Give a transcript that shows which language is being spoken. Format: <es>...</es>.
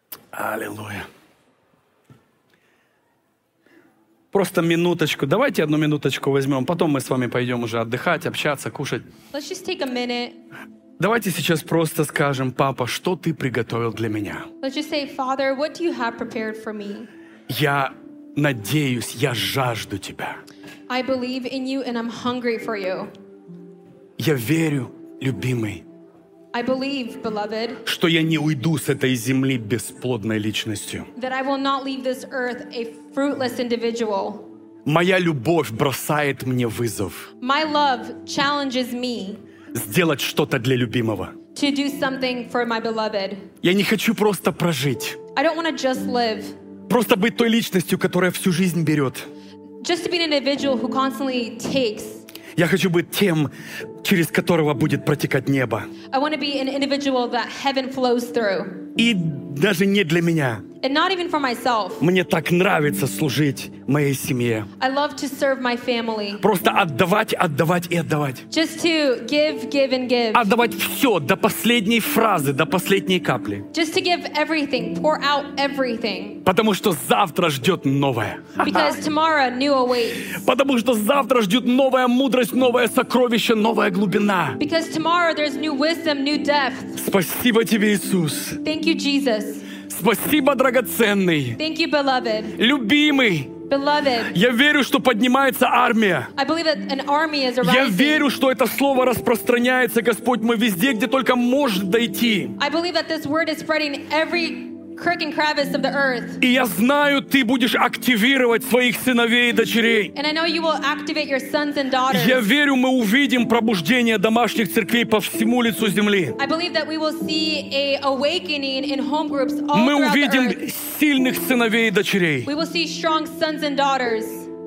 <ru>Аллилуйя. Просто минуточку. Давайте одну минуточку возьмем. Потом мы с вами пойдем уже отдыхать, общаться, кушать.</ru> <en>Let's just take a minute.</en> <ru>Давайте сейчас просто скажем, папа, что ты приготовил для меня?</ru> <en>Let's just say, Father, what do you have prepared for me?</en> <ru>Я надеюсь, я жажду тебя.</ru> <en>I believe in you and I'm hungry for you.</en> <ru>Я верю, любимый.</ru> <en>I believe, beloved,</en> <ru>что я не уйду с этой земли бесплодной личностью.</ru> <en>That I will not leave this earth a fruitless individual.</en> <ru>Моя любовь бросает мне вызов.</ru> <en>My love challenges me.</en> <ru>Сделать что-то для любимого.</ru> <en>To do something for my beloved.</en> <ru>Я не хочу просто прожить.</ru> <en>I don't want to just live.</en> <ru>Просто быть той личностью, которая всю жизнь берет.</ru> <en>Just to be an individual who constantly takes.</en> <ru>Я хочу быть тем, через которого будет протекать небо.</ru> <en>I want to be an individual that heaven flows through.</en> <ru>И даже не для меня.</ru> <en>And not even for myself.</en> <ru>Мне так нравится служить моей семье.</ru> <en>I love to serve my family.</en> <ru>Просто отдавать, отдавать и отдавать.</ru> <en>Just to give, give and give.</en> <ru>Отдавать все до последней фразы, до последней капли.</ru> <en>Just to give everything, pour out everything.</en> <ru>Потому что завтра ждет новое.</ru> <en>Because tomorrow new awaits.</en> <ru>Потому что завтра ждет новая мудрость, новое сокровище, новая глубина.</ru> <en>Because tomorrow there's new wisdom, new depth.</en> <ru>Спасибо тебе, Иисус.</ru> <en>Thank you, Jesus.</en> <ru>Спасибо, драгоценный.</ru> <en>Thank you, beloved.</en> <ru>Любимый.</ru> <en>Beloved.</en> <ru>Я верю, что поднимается армия.</ru> <en>I believe that an army is arising.</en> <ru>Я верю, что это слово распространяется, Господь мой, везде, где только может дойти.</ru> <en>I believe that this word is spreading every crick and crevice of the earth.</en> <ru>И я знаю, ты будешь активировать своих сыновей и дочерей.</ru> <en>And I know you will activate your sons and daughters.</en> <ru>Я верю, мы увидим пробуждение домашних церквей по всему лицу земли.</ru> <en>I believe that we will see a awakening in home groups all</en> <ru>мы увидим сильных сыновей и дочерей.</ru> <en>We will see strong sons and daughters.</en>